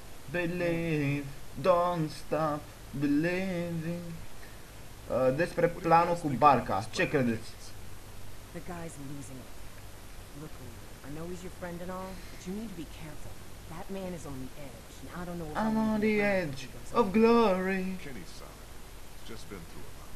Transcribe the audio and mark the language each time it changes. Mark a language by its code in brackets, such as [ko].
[en] Believe, don't stop believing. [ro] Despre planul cu barca, ce credeți? [en] The guy's losing it. Look, I know he's your friend and all, but you need to be careful. That man is on the edge, and I don't know. I'm on the edge of glory. Kenny's just been through a lot.